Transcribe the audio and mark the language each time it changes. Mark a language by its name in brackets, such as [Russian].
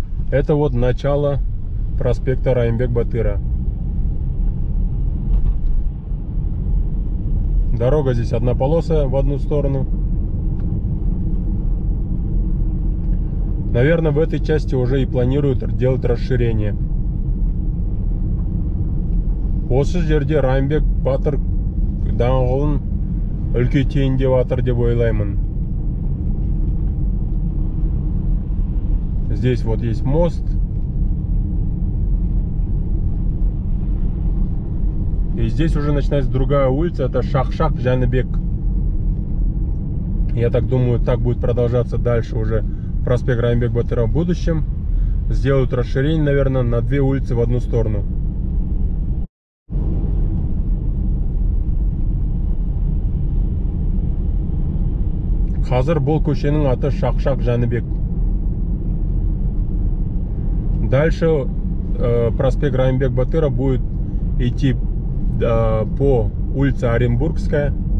[Russian] Это вот начало проспекта Райымбек Батыра. Дорога здесь однополосая в одну сторону. Наверное, в этой части уже и планируют делать расширение. [Kazakh] Осы жерде Райымбек Батыр даңғылын үлкейтейін деп атыр деп ойлаймын. [Russian] Здесь вот есть мост. И здесь уже начинается другая улица. Это Шахшах Жәнібек. Я так думаю, так будет продолжаться дальше уже проспект Райымбек Батыра в будущем. Сделают расширение, наверное, на две улицы в одну сторону. [Kazakh] Қазір бұл көшенің аты Шақшақ Жәнібек. [Russian] Дальше проспект Райымбек Батыра будет идти по улице Оренбургская.